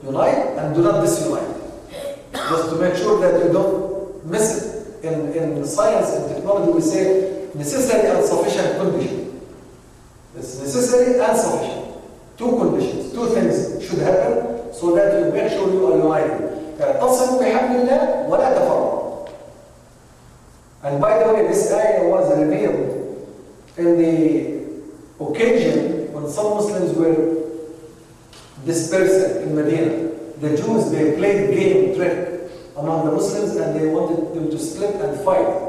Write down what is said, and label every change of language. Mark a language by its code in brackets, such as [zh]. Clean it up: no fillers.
[en] Unite and do not disunite. Just to make sure that you don't miss it. In science and technology, we say, necessary and sufficient condition. It's necessary and sufficient. Two conditions, two things should happen so that you make sure you are united. [ar] اعتصم بحبل الله ولا تفرق. [en] And by the way, this ayah was revealed in the occasion when some Muslims were dispersed in Medina. The Jews, they played game trick among the Muslims and they wanted them to split and fight.